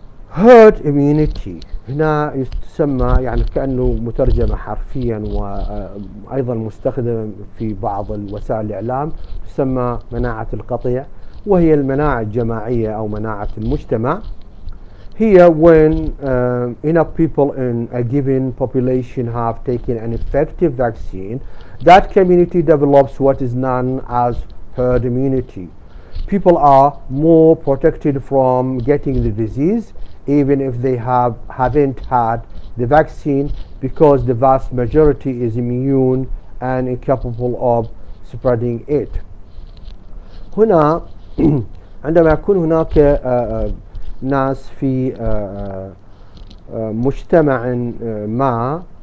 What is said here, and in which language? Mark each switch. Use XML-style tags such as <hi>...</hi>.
<ar>Herd immunity, هنا يسمى يعني كأنه مترجمة حرفيا وأيضا مستخدمة في بعض وسائل الإعلام, تسمى مناعة القطيع, وهي المناعة الجماعية أو مناعة المجتمع.</ar> <en>هي when enough people in a given population have taken an effective vaccine, that community develops what is known as herd immunity. People are more protected from getting the disease even if they haven't had the vaccine, because the vast majority is immune and incapable of spreading it.</en> <ar>هنا عندما يكون هناك ناس في مجتمع ما</ar>